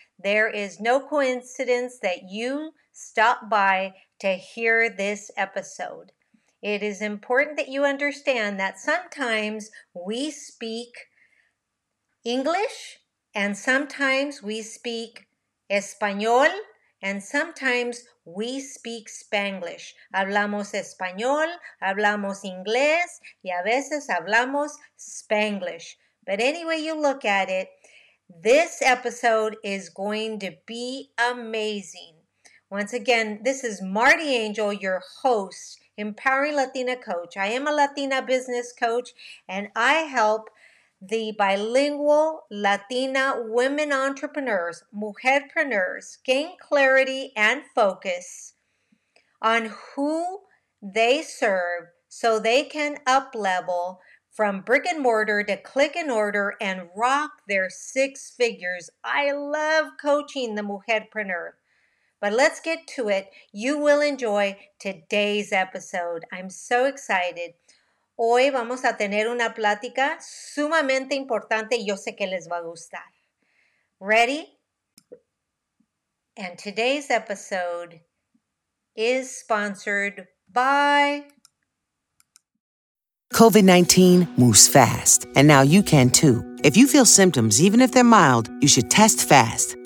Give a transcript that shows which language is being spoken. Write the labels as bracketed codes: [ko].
[en] There is no coincidence that you stop by to hear this episode. It is important that you understand that sometimes we speak English, and sometimes we speak Español, and sometimes we speak Spanglish. [es] Hablamos Español, hablamos Inglés, y a veces hablamos Spanglish. [en] But any way you look at it, this episode is going to be amazing. Once again, this is Marty Angel, your host, Empowering Latina Coach. I am a Latina business coach, and I help the bilingual Latina women entrepreneurs, mujerpreneurs, gain clarity and focus on who they serve so they can up-level from brick and mortar to click and order and rock their six figures. I love coaching the mujerpreneur. But let's get to it. You will enjoy today's episode. I'm so excited. [es] Hoy vamos a tener una plática sumamente importante. Yo sé que les va a gustar. [en] Ready? And today's episode is sponsored by... COVID-19 moves fast, and now you can too. If you feel symptoms, even if they're mild, you should test fast.